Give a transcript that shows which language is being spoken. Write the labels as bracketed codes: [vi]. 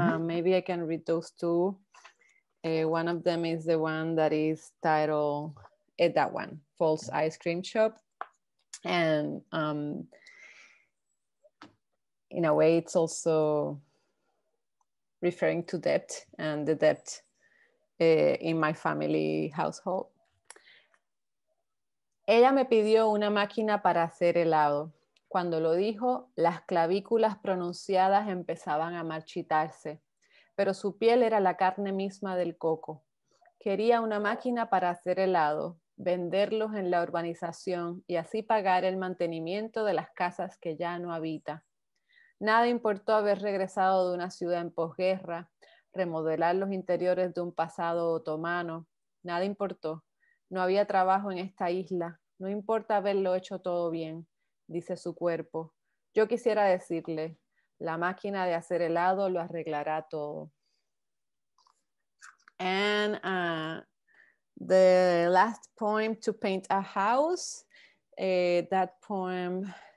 [en] Maybe I can read those two. One of them is the one that is titled, that one, False Ice Cream Shop. And in a way, it's also referring to debt and the debt in my family household. [es] Ella me pidió una máquina para hacer helado. Cuando lo dijo, las clavículas pronunciadas empezaban a marchitarse, pero su piel era la carne misma del coco. Quería una máquina para hacer helado, venderlos en la urbanización y así pagar el mantenimiento de las casas que ya no habita. Nada importó haber regresado de una ciudad en posguerra, remodelar los interiores de un pasado otomano. Nada importó. No había trabajo en esta isla. No importa haberlo hecho todo bien, dice su cuerpo. Yo quisiera decirle, la máquina de hacer helado lo arreglará todo. [en] And the last poem, To Paint a House, that poem